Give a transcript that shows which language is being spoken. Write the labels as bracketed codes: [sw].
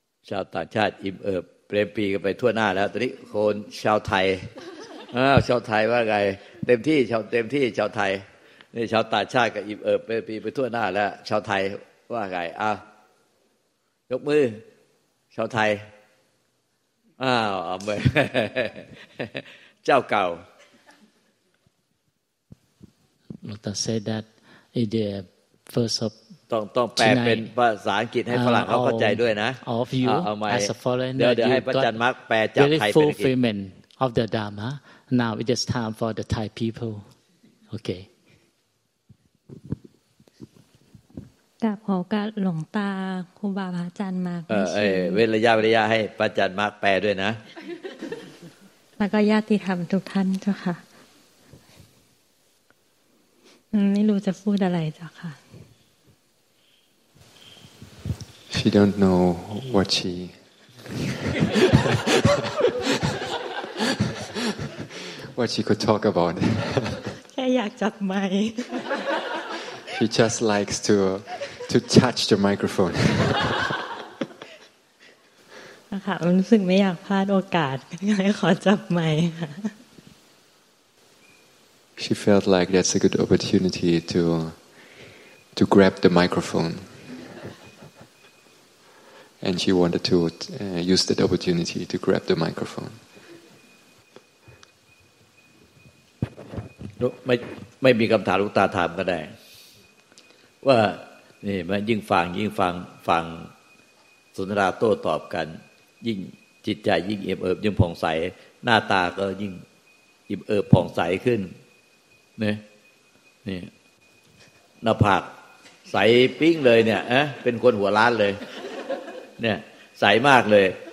[th] ชาวต่างชาติอิ่มเอิบเปรมปีกันไปทั่วหน้าแล้วตอนนี้คนชาวไทยชาวไทยว่าไงเต็มที่ชาวเต็มที่ชาวไทยนี่ชาวต่างชาติก็อิ่มเอิบเปรมปีไปทั่วหน้าแล้วชาวไทยว่าไงอ้าวยกมือชาวไทยอ้าวอเมริกาเจ้าเก่า เราต้อง [en] say that idea first of [th] ต้องแปลเป็นภาษาอังกฤษให้ฝรั่งเขาเข้าใจด้วยนะ เอาไ ปเดี๋ยวให้พระอาจารย์มาร์กแปลจากไทยเป็นอังกฤษ [en] fulfillment of the dharma now it is time for the Thai people okay [th] กราบขอกราบหลวงตาครูบาพระอาจารย์มาร์ก เวลายาวิริยะให้พระอาจารย์มาร์กแปลด้วยนะ แล้วก็ญาติธรรมทุกท่านเจ้าค่ะไม่รู้จะพูดอะไรจ้ะค่ะ [en] She don't know what she what she could talk about [th] แค่อยากจับไม [en] ค์ She just likes to touch the microphone [th] นะคะรู้สึกไม่อยากพลาดโอกาสก็เลยขอจับไมค์ค่ะ [en] She felt like that's a good opportunity to grab the microphone, and she wanted to use that opportunity to grab the microphone. [th] No, ไม่มีคำถามลูกตาถามก็ได้ว่านี่มันยิ่งฟังสนทนาโต้ตอบกันยิ่งจิตใจยิ่งเอิบเอิบยิ่งผ่องใสหน้าตาก็ยิ่งเอิบเอิบผ่องใสขึ้นนี่หน้าผากใสปิ้งเลยเนี่ยเป็นคนหัวล้านเลยเนี่ยใสมากเลย